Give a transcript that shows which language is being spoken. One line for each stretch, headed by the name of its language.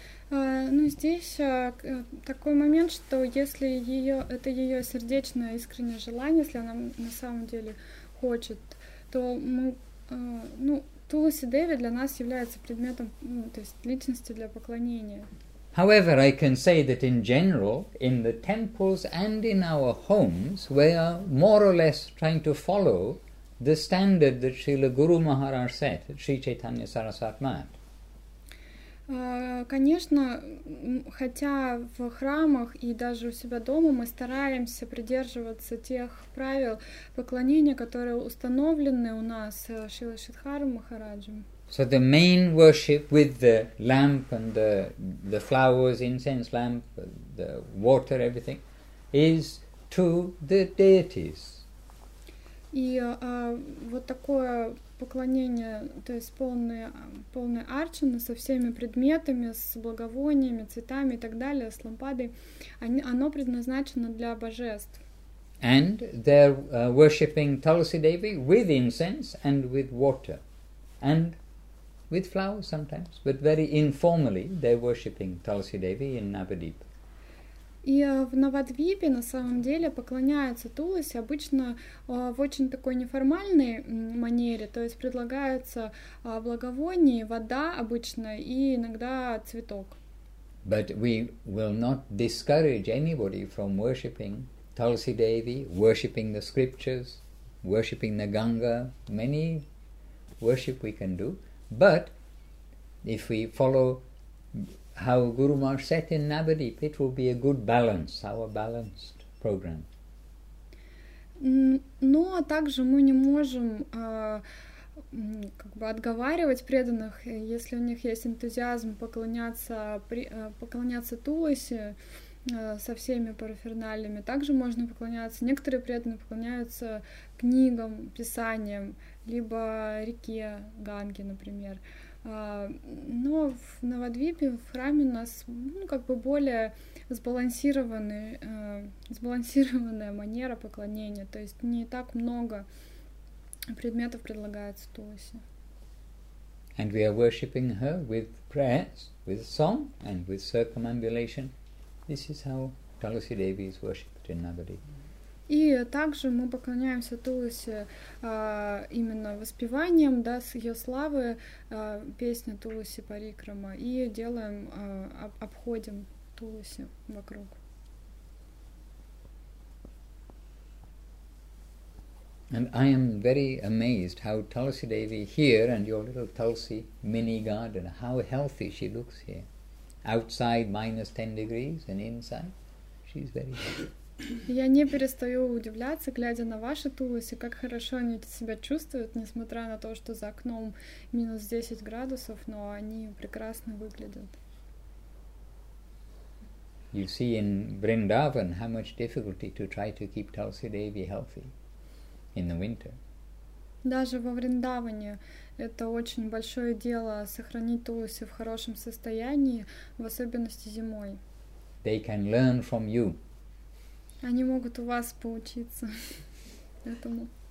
Russian: Ну, здесь такой момент, что если её, это ее сердечное искреннее желание, если она на самом деле хочет, то мы, ну, Туласи Деви для нас является предметом, ну, то есть личностью для поклонения.
English: However, I can say that in general, in the temples and in our homes, we are more or less trying to follow the standard that Srila Guru Maharaj set, Sri Chaitanya Sarasatmat.
Russian: Конечно, хотя в храмах и даже у себя дома мы стараемся придерживаться тех правил поклонения, которые установлены у нас Шрила Шридхара Махараджем.
English: So the main worship with the lamp and the flowers, incense lamp, the water, everything, is to the deities.
Russian: И вот такое поклонение, то есть полное, полное арчана со всеми предметами, с благовониями, цветами и так далее, с лампадой, оно предназначено для божеств.
English: And they're worshipping Tulsi Devi with incense and with water. And with flowers sometimes, but very informally they're worshipping Tulsi Devi in Navadvipa.
Russian: И в Навадвипе на самом деле поклоняются Туласи обычно в очень такой неформальной манере, то есть предлагается благовоние, вода обычно и иногда цветок.
English: But we will not discourage anybody from worshipping Tulsi Devi, worshipping the scriptures, worshipping the Ganga. Many worship we can do, but if we follow how Guru Maharaj set in Navadvip, it will be a good balance, our balanced program.
Russian: Но также мы не можем как бы отговаривать преданных, если у них есть энтузиазм поклоняться Туласи со всеми параферналиями. Также можно поклоняться. Некоторые преданные поклоняются книгам, писаниям, либо реке Ганге, например. Но в Навадвипе, в храме у нас, ну, как бы более сбалансированная манера поклонения, то есть не так много предметов предлагается Туласи.
English: And we are worshipping her with prayers, with song and with circumambulation. This is how Tulsi Devi is worshipped in Navadvipa.
Russian: И также мы поклоняемся Туласи именно воспеванием, да, с ее славы, песня Туласи Парикрама, и делаем, обходим Туласи вокруг.
English: And I am very amazed how Tulsi Devi here and your little Tulsi mini garden, how healthy she looks here. Outside minus 10 degrees and inside, she's very healthy.
Russian: Я не перестаю удивляться, глядя на ваши Туласи, как хорошо они себя чувствуют, несмотря на то, что за окном минус 10 градусов, но они прекрасно выглядят.
English: You see in Vrindavan how much difficulty to try to keep Tulsi Devi healthy in the winter.
Russian: Даже во Вриндаване это очень большое дело сохранить Туласи в хорошем состоянии, в особенности зимой.
English: They can learn from you.
Russian: Они могут у вас поучиться этому.